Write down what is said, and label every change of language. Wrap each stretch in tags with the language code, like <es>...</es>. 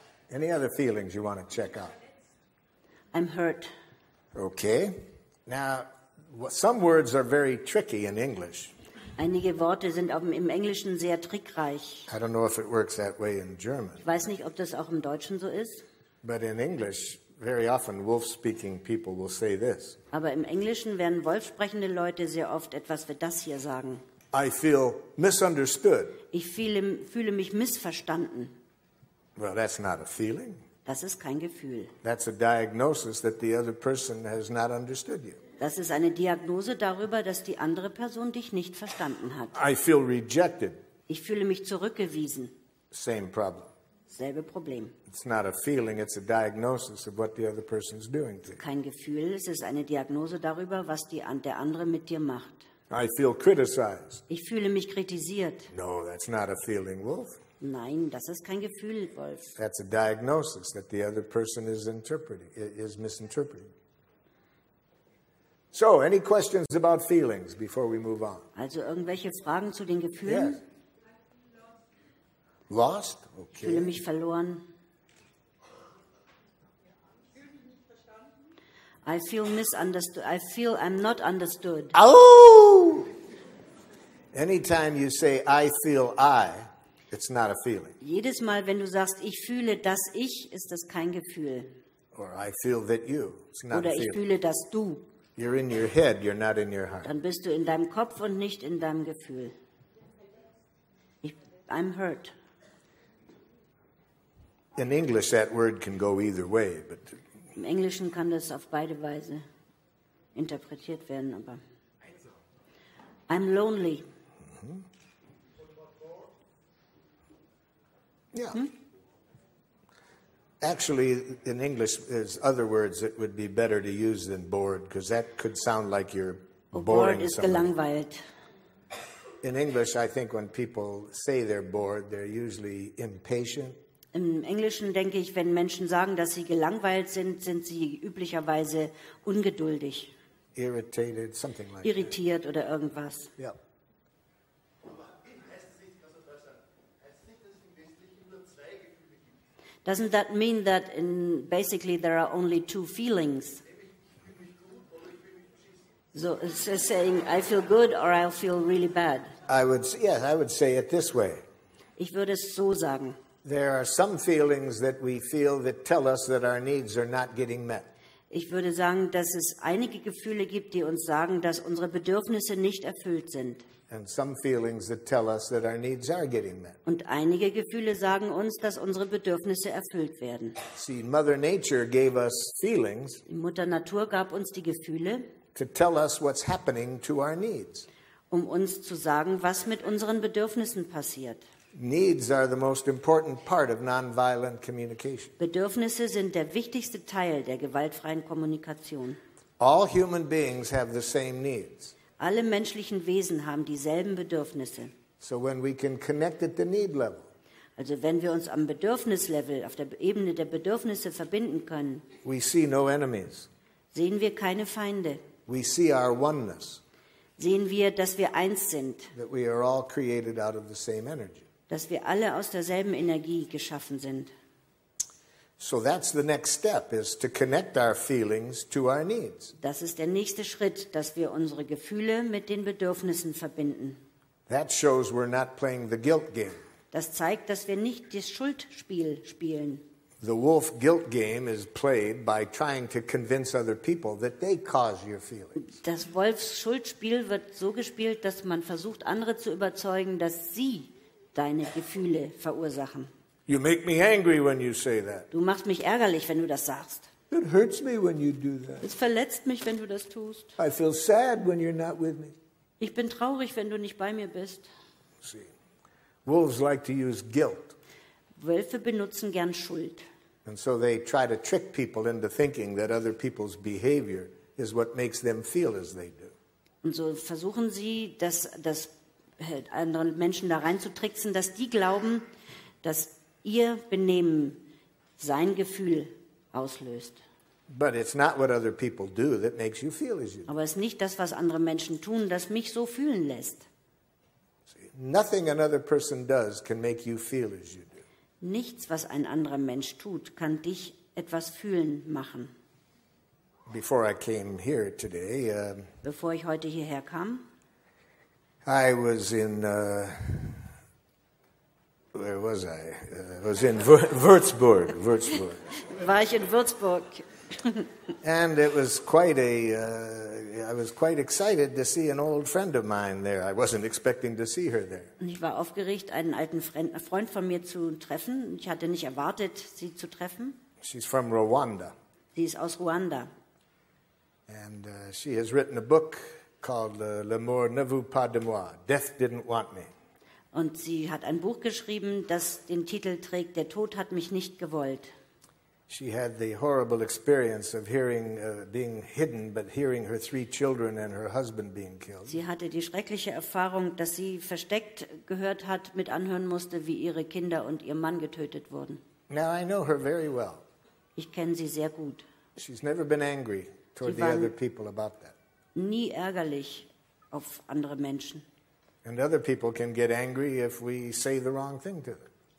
<en>Any other feelings you want to check out? I'm hurt. Okay. Now, some words are very tricky in English.</en> <de>Einige Worte sind im Englischen sehr trickreich.</de> <en>I don't know if it works that way in German.</en> <de>Ich weiß nicht, ob das auch im Deutschen so ist.</de> <en>But in English, very often wolf-speaking people will say this.</en> <de>Aber im Englischen werden wolfsprechende Leute sehr oft etwas wie das hier sagen.</de> <en>I feel misunderstood.</en> <de>Ich fühle mich missverstanden.</de> <en>Well, that's not a feeling.</en> <de>Das ist kein Gefühl.</de> <en>That's a diagnosis that the other person has not understood you.</en> <de>Das ist eine Diagnose darüber, dass die andere Person dich nicht verstanden hat.</de> <en>I feel rejected.</en> <de>Ich fühle mich zurückgewiesen.</de> <en>Same problem.</en> <de>Selbe Problem.</de> <en>It's not a feeling, it's a diagnosis of what the other person is doing to you.</en> <de>Kein Gefühl, es ist eine Diagnose darüber, was der andere mit dir macht.</de> <en>I feel criticized.</en> <de>Ich fühle mich kritisiert.</de> <en>No, that's not a feeling, Wolf.</en> <de>Nein, das ist kein Gefühl, Wolf.</de> <en>That's a diagnosis that the other person is misinterpreting. So, any questions about feelings before we move on?</en> <de>Also irgendwelche Fragen zu den Gefühlen?</de> <en>Yes. Lost? Okay.</en> <de>Ich fühle mich verloren.</de> <en>I feel misunderstood. I feel I'm not understood. Oh! Anytime you say I feel I, it's not a feeling.</en> <de>Jedes Mal, wenn du sagst, ich fühle das ich, ist das kein Gefühl.</de> <en>Or I feel that you. It's not a feeling.</en> <de>Oder ich fühle das du.</de> <en>You're in your head, you're not in your heart.</en> <de>Dann bist du in deinem Kopf und nicht in deinem Gefühl.</de> <en>I'm hurt. In English that word can go either way, but</en> <de>im Englischen kann das auf beide Weise interpretiert werden, aber</de> <en>I'm lonely. Yeah. Actually, in English, there's other words that would be better to use than bored, because that could sound like you're boring somebody.</en> <de>Bored ist gelangweilt.</de> <en>In English, I think when people say they're bored, they're usually impatient.</en> <de>Im Englischen denke ich, wenn Menschen sagen, dass sie gelangweilt sind, sind sie üblicherweise ungeduldig.</de> <en>Irritated, something like</en> <de>irritiert Irritiert oder irgendwas. Ja.</de> <en>Yeah. Doesn't that mean that in basically there are only two feelings? So it's saying I feel good or I feel really bad. I would say it this way.</en> <de>Ich würde es so sagen.</de> <en>There are some feelings that we feel that tell us that our needs are not getting met.</en> <de>Ich würde sagen, dass es einige Gefühle gibt, die uns sagen, dass unsere Bedürfnisse nicht erfüllt sind.</de> <en>And some feelings that tell us that our needs are getting met.</en> <de>Und einige Gefühle sagen uns, dass unsere Bedürfnisse erfüllt werden.</de> <en>See, Mother Nature gave us feelings.</en> <de>Mutter Natur gab uns die Gefühle.</de> <en>To tell us what's happening to our needs.</en> <de>Um uns zu sagen, was mit unseren Bedürfnissen passiert.</de> <en>Needs are the most important part of nonviolent communication.</en> <de>Bedürfnisse sind der wichtigste Teil der gewaltfreien Kommunikation.</de> <en>All human beings have the same needs.</en> <de>Alle menschlichen Wesen haben dieselben Bedürfnisse.</de> <en>So when we can connect at the need level.</en> <de>Also wenn wir uns am Bedürfnislevel, auf der Ebene der Bedürfnisse verbinden können.</de> <en>We see no enemies.</en> <de>Sehen wir keine Feinde.</de> <en>We see our oneness.</en> <de>Sehen wir, dass wir eins sind.</de> <en>That we are all created out of the same energy.</en> <de>Dass wir alle aus derselben Energie geschaffen sind.</de> <en>So that's the next step, is to connect our feelings to our needs.</en> <de>Das ist der nächste Schritt, dass wir unsere Gefühle mit den Bedürfnissen verbinden.</de> <en>That shows we're not playing the guilt game.</en> <de>Das zeigt, dass wir nicht das Schuldspiel spielen.</de> <en>The wolf guilt game is played by trying to convince other people that they cause your feelings.</en> <de>Das Wolfsschuldspiel wird so gespielt, dass man versucht, andere zu überzeugen, dass sie deine Gefühle verursachen.</de> <en>You make me angry when you say that.</en> <de>Du machst mich ärgerlich, wenn du das sagst.</de> <en>It hurts me when you do that.</en> <de>Es verletzt mich, wenn du das tust.</de> <en>I feel sad when you're not with me.</en> <de>Ich bin traurig, wenn du nicht bei mir bist.</de> <en>See, wolves like to use guilt.</en> <de>Wölfe benutzen gern Schuld.</de> <en>And so they try to trick people into thinking that other people's behavior is what makes them feel as they do.</en> <de>Und so versuchen sie, dass das anderen Menschen da reinzutricksen, dass die glauben, dass ihr Benehmen sein Gefühl auslöst.</de> <en>But it's not what other people do that makes you feel as you do.</en> <de>Aber es ist nicht das, was andere Menschen tun, das mich so fühlen lässt.</de> <en>See, nothing another person does can make you feel as you do.</en> <de>Nichts, was ein anderer Mensch tut, kann dich etwas fühlen machen.</de> <en>Before I came here today,</en> <de>bevor ich heute hierher kam,</de> <en>I was in where was I? I was in Würzburg. Würzburg.</en> <de>War ich in Würzburg.</de> <en>And it was quite a. I was quite excited to see an old friend of mine there. I wasn't expecting to see her there.</en> <de>Und ich war aufgeregt, einen alten Freund von mir zu treffen. Ich hatte nicht erwartet, sie zu treffen.</de> <en>She's from Rwanda.</en> <de>Sie ist aus Ruanda.</de> <en>And she has written a book called</en> <fr>L'amour ne veut pas de moi.</fr> <en>Death didn't want me.</en> <de>Und sie hat ein Buch geschrieben, das den Titel trägt: Der Tod hat mich nicht gewollt.</de> <en>She had the horrible experience of hearing being hidden, but hearing her three children and her husband being killed.</en> <de>Sie hatte die schreckliche Erfahrung, dass sie versteckt gehört hat, mit anhören musste, wie ihre Kinder und ihr Mann getötet wurden.</de> <en>Now I know her very well.</en> <de>Ich kenne sie sehr gut.</de> <en>She's never been angry toward the other people about that.</en> <de>Nie ärgerlich auf andere Menschen.</de> <en>And other people can get angry if we say the wrong thing to them.</en>